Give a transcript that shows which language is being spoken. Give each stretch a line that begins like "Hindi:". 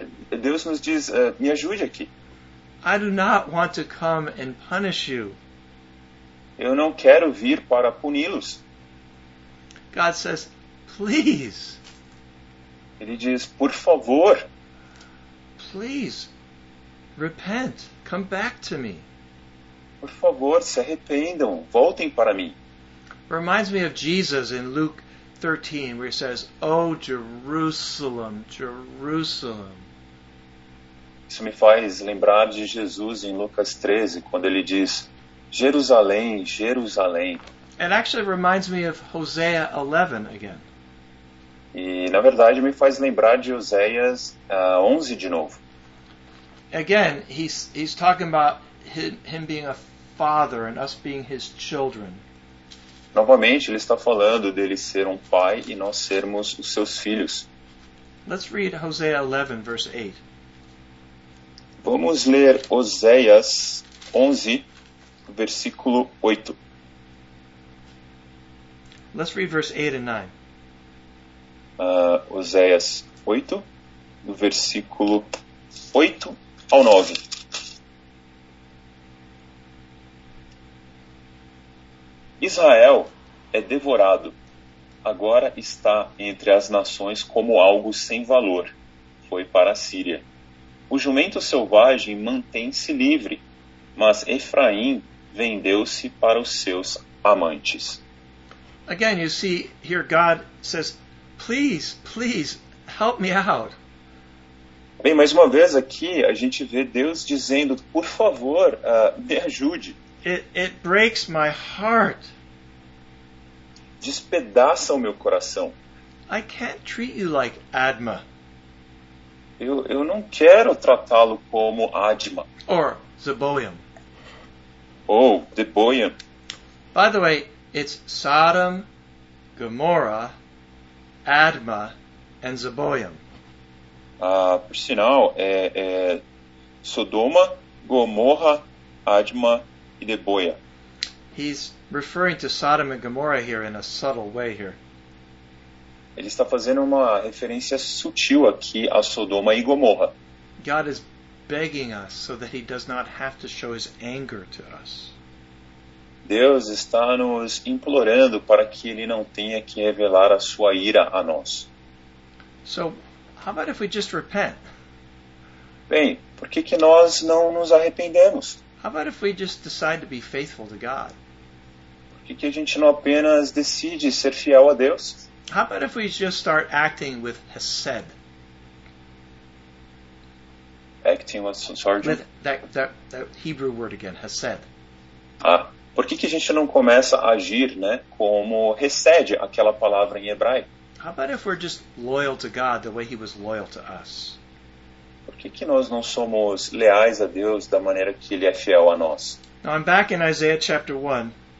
Portuguese: Deus nos diz, me ajude aqui.
English: I do not want to come and punish you.
Portuguese: Eu não quero vir para puni-los.
English: God says, "Please."
Portuguese: Ele diz, por favor.
English: Please, repent. Come back to me.
Portuguese: Por favor, se arrependam. Voltem para mim.
English: Reminds me of Jesus in Luke 13, where he says, "Oh, Jerusalem, Jerusalem."
Portuguese: Isso me faz lembrar de Jesus em Lucas 13, quando ele diz, Jerusalém, Jerusalém.
English: It actually reminds me of Hosea 11 again.
Portuguese: E, na verdade, me faz lembrar de Oséias 11 de novo.
English: Again, he's talking about him being a father and us being his children.
Portuguese: Novamente, ele está falando dele ser um pai e nós sermos os seus filhos.
English: Let's read Hosea 11, verse 8.
Portuguese: Vamos ler Oséias 11, versículo 8.
English: Let's read verse 8 and 9.
Portuguese: Oséias 8, versículo 8 ao 9. Israel é devorado. Agora está entre as nações como algo sem valor. Foi para a Síria. O jumento selvagem mantém-se livre, mas Efraim vendeu-se para os seus amantes.
English: Again, you see here God says, "Please, please, help me out."
Portuguese: Bem, mais uma vez aqui a gente vê Deus dizendo, por favor, me ajude.
English: It breaks my heart.
Portuguese: Despedaça o meu coração.
English: I can't treat you like Adma.
Portuguese: Eu não quero tratá-lo como Adma.
English: Or Zeboiim. Oh, Zeboiim. By the way, it's Sodom, Gomorrah, Adma, and Zeboiim.
Portuguese: Por sinal, é Sodoma, Gomorra, Adma e Zeboiim.
English: He's referring to Sodom and Gomorrah here in a subtle way here.
Portuguese: Ele está fazendo uma referência sutil aqui a Sodoma e Gomorra.
English: God is begging us so that he does not have to show his anger to us.
Portuguese: Deus está nos implorando para que ele não tenha que revelar a sua ira a nós.
English: So, how about if we just repent?
Portuguese: Bem, por que que nós não nos arrependemos?
English: How about if we just decide to be faithful to God?
Portuguese: Por que que a gente não apenas decide ser fiel a Deus?
English: How about if we just start acting with hesed? Acting with, sorry. With that Hebrew word again, hesed.
Portuguese: Por que que a gente não começa a agir, né, como hesed, aquela palavra em hebraico?
English: How about if we're just loyal to God the way he was loyal to us?
Portuguese: Por que que nós não somos leais a Deus da maneira que ele é fiel a nós?
English: Now I'm back in Isaiah chapter 1.